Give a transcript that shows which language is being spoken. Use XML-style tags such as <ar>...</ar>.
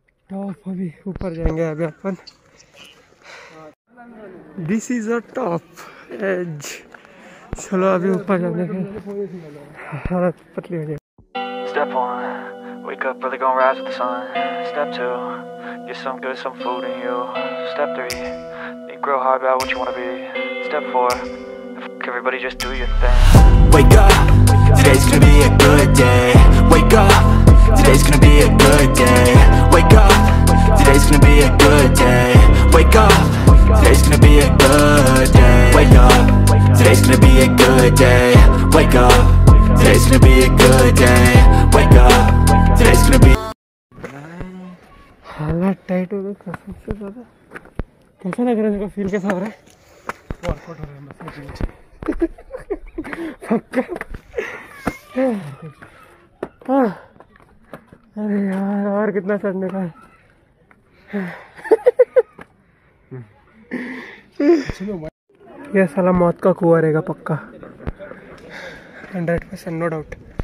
<hi>Top अभी ऊपर जाएंगे अभी अपन।</hi> <en>This is a top edge.</en> <hi>चलो अभी ऊपर जाने के हालत पतली हो जाएगी।</hi> <en>Step 1 wake up early gonna rise with the sun. Step 2 get some good some food in you. Step 3 think grow hard about what you want to be. Step 4 fuck everybody just do your thing. Wake up, today's gonna be a good day. Wake up, today's gonna be a good day. Wake up, today's gonna be a good day. Wake up, today's gonna be a good day. Wake up, today's gonna be a good day. Wake up, today's gonna be a good day. Wake up, today's gonna be a good day. Wake up, today's gonna be a good day. Wake up, today's gonna be a good day. up, today's gonna be a good day. Wake up,</en> <hi>अरे यार और कितना चढ़ने का है। यह साला मौत का कुआ रहेगा पक्का 100%</hi> <en>No doubt.</en>